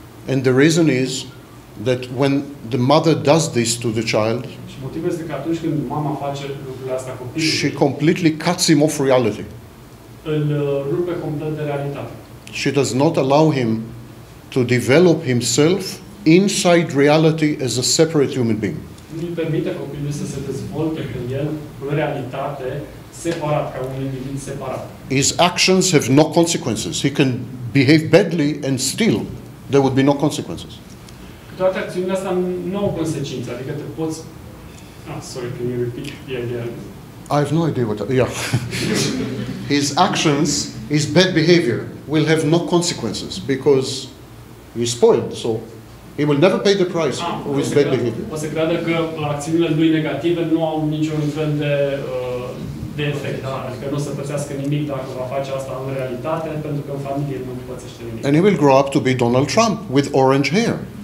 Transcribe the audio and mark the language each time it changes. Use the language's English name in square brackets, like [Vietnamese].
[English] And the reason is that when the mother does this to the child, [Romanian] motivul este că atunci când mama face lucrurile astea copilului, [English] she completely cuts him off reality. [Romanian] Îl rupe complet de realitate. [English] She does not allow him to develop himself inside reality as a separate human being. [Romanian] Nu-i permite copilului să se dezvolte pe el în realitate separat, ca un individ separat. [English] His actions have no consequences. He can behave badly and still there would be no consequences. [Romanian] Toate acțiunile astea nu au consecințe, adică te poți. [English] Sorry, can you repeat the idea? I have no idea what. His actions, his bad behavior, will have no consequences because he's spoiled. So he will never pay the price for his bad behavior. [Romanian] O să creadă că acțiunile lui negative nu au niciun fel de efect. Adică nu o să pățească nimic dacă va face asta în realitate, pentru că în familie nu pățește nimic. [English] And he will grow up to be Donald Trump with orange hair.